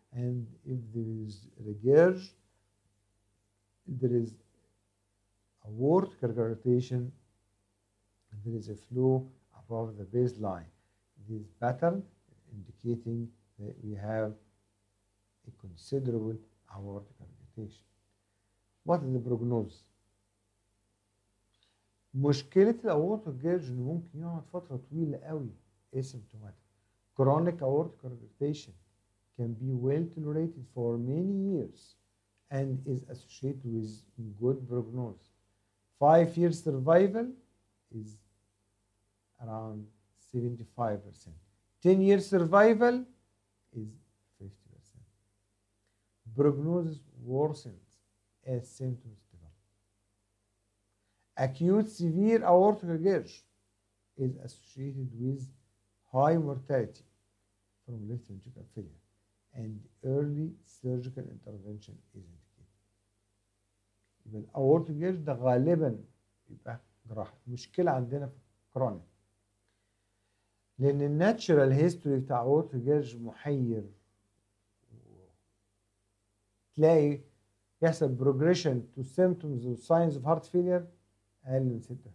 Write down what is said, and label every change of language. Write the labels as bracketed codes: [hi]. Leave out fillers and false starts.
[en] And if there is regurg, there is aortic regurgitation. There is a flow above the baseline. This pattern indicating that we have a considerable aortic regurgitation. What is the prognosis? [ar] مشكلة الأورتو جيرجن ممكن يقعد فترة طويلة قوي asymptomatic. [en] Chronic aortic regurgitation can be well tolerated for many years and is associated with good prognosis. 5-year survival is around 75%. 10-year survival is 50%. Prognosis worsens as symptoms develop. Acute severe aortic regurg is associated with high mortality from left ventricular failure, and early surgical intervention is indicated. [ar] Aortic regurg ده غالبا يبقى جراحة. مشكلة عندنا في كرونيك. لأن الناتشرال هيستوري بتاع aortic regurg محير. تلاقي يحصل [en] progression to symptoms or signs of heart failure [ar] أقل من 6%.